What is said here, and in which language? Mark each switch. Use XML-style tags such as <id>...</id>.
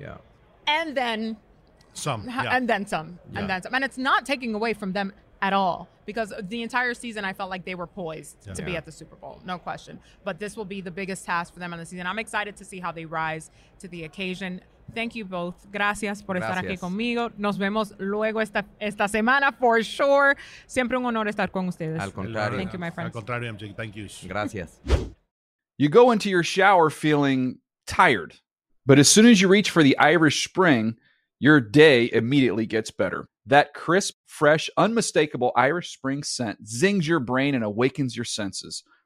<en>Yeah. And then some. And then some. Yeah. And then some. And it's not taking away from them at all, because the entire season I felt like they were poised to be at the Super Bowl, no question. But this will be the biggest task for them in the season. I'm excited to see how they rise to the occasion. Thank you both.</en> <es>Gracias por estar aquí conmigo. Nos vemos luego esta semana</es> <en>for sure.</en> <es>Siempre un honor estar con ustedes. Al contrario.</es> <en>Thank you, my friends.</en> <es>Al contrario, MJ.</es> <en>Thank you.</en> <es>Gracias.</es> <en>You go into your shower feeling tired, but as soon as you reach for the Irish Spring, your day immediately gets better. That crisp, fresh, unmistakable Irish Spring scent zings your brain and awakens your senses.</en>